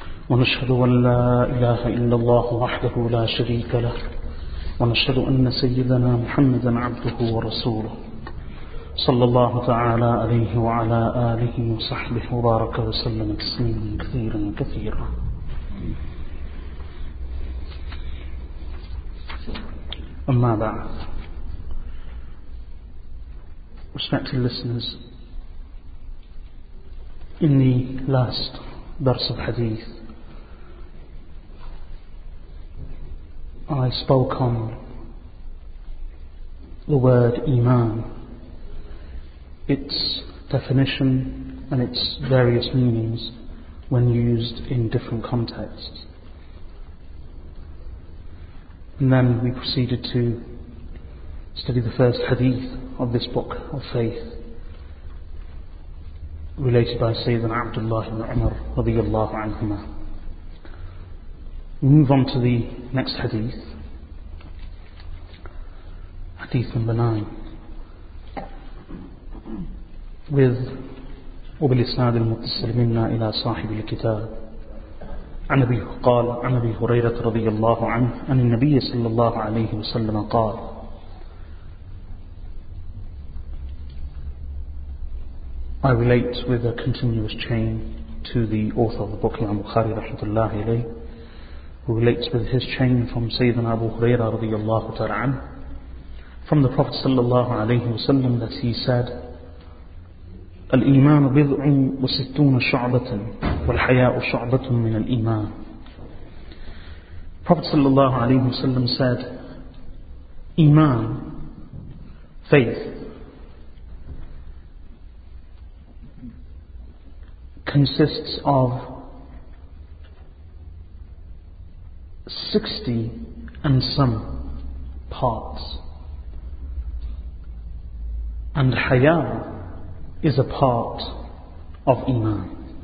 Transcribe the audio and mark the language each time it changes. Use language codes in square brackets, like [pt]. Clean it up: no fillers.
[ar] ونشهد أن لا إله إلا الله وحده لا شريك له ونشهد أن سيدنا محمدا عبده ورسوله صلى الله تعالى عليه وعلى آله وصحبه وبارك وسلم تسليما كثيرا كثيرا. أما بعد, [en] respected listeners, in the last [ar] درس الحديث [en] I spoke on the word إيمان, its definition and its various meanings when used in different contexts. And then we proceeded to study the first hadith of this book of faith related by Sayyidina Abdullah ibn Umar [ar] radiyallahu anhuma. [en] We move on to the next hadith, hadith number 9. With [ar] وبالإسناد المتصل منا إلى صاحب الكتاب عن أبي قال عن أبي هريرة رضي الله عنه أن النبي صلى الله عليه وسلم قال [en] I relate with a continuous chain to the author of the book Imam Bukhari [ar] رحمة الله عليه, [en] who relates with his chain from Sayyidina Abu Huraira [ar] رضي الله تعالى عنه [en] from the Prophet [ar] صلى الله عليه وسلم [en] that he said [ar] الإيمان بضع وستون شعبة والحياء شعبة من الإيمان. [en] Prophet [ar] صلى الله عليه وسلم [en] said, إيمان, faith, consists of 60 and some parts, and حياء is a part of Iman.